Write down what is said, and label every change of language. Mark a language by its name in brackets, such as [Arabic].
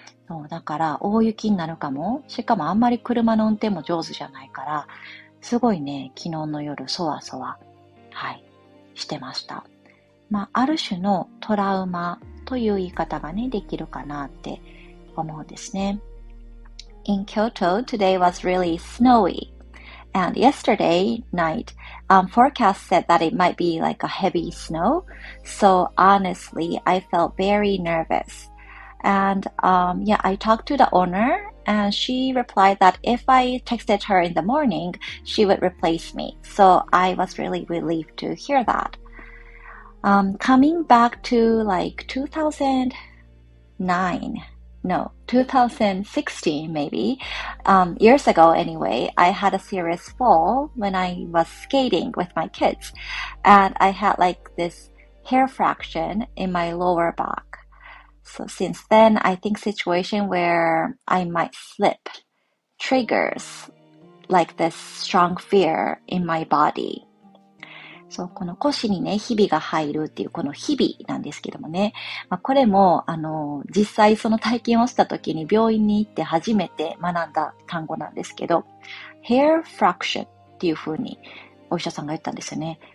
[Japanese] そう、だから大雪になるかも、しかもあんまり車の運転も上手じゃないから、すごいね、昨日の夜そわそわ、はい、してました。まあ、ある種のトラウマという言い方がね、できるかなって思うんですね。 [English] In Kyoto, today was really snowyAnd yesterday night, forecast said that it might be like a heavy snow. So honestly, I felt very nervous. And yeah, I talked to the owner and she replied that if I texted her in the morning, she would replace me. So I was really relieved to hear that. Coming back to like 2016 maybe, years ago anyway, I had a serious fall when I was skating with my kids and I had like this hair fracture in my lower back. So since then, I think situation where I might slip triggers like this strong fear in my body. [Japanese] そう、この腰にね、ヒビが入るっていう、このヒビなんですけどもね。まあ、これも、実際その体験をした時に病院に行って初めて学んだ単語なんですけど、hair fracture っていう風にお医者さんが言ったんですよね。